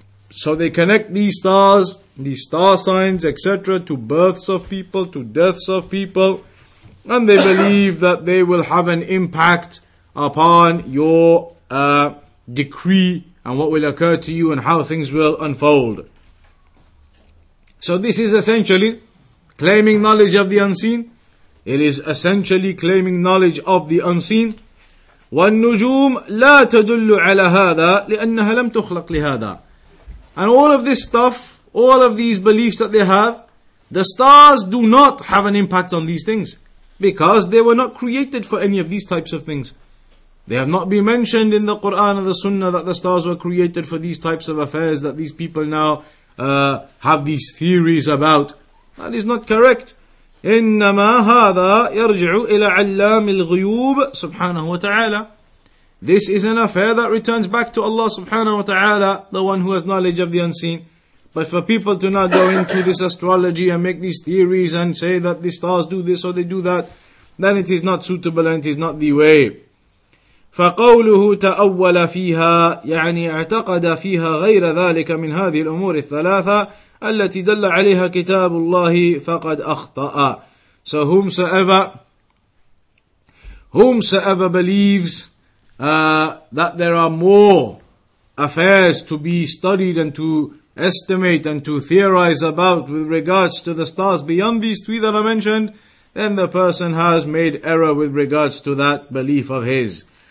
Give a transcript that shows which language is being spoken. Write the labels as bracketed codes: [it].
[en] So they connect these stars, these star signs, etc., to births of people, to deaths of people, and they believe that they will have an impact upon your decree and what will occur to you and how things will unfold. So this is essentially claiming knowledge of the unseen. It is essentially claiming knowledge of the unseen. [ar] والنجوم لا تدل على هذا لأنها لم تخلق لهذا. [en] And all of this stuff, all of these beliefs that they have, the stars do not have an impact on these things because they were not created for any of these types of things. They have not been mentioned in the Quran and the Sunnah that the stars were created for these types of affairs that these people now have these theories about. That is not correct. [ar] إِنَّمَا هَذَا يَرْجِعُ إِلَى عَلَّامِ الْغُيُوبِ سُبْحَانَهُ وَتَعَالَى. [en] This is an affair that returns back to Allah subhanahu wa ta'ala, the one who has knowledge of the unseen. But for people to not go into this astrology and make these theories and say that the stars do this or they do that, then it is not suitable and it is not the way. [ar] فَقَوْلُهُ تَأَوَّلَ فِيهَا يَعْنِي اَعْتَقَدَ فِيهَا غَيْرَ ذَلِكَ مِنْ هَذِهِ الْأُمُورِ الثَّلَاثَةَ التي دل عليها كتاب الله فقد أخطأ. [en] So whomsoever believes that there are more affairs to be studied and to estimate and to theorize about with regards to the stars beyond these three that are mentioned, then the person has made error with regards to that belief of his.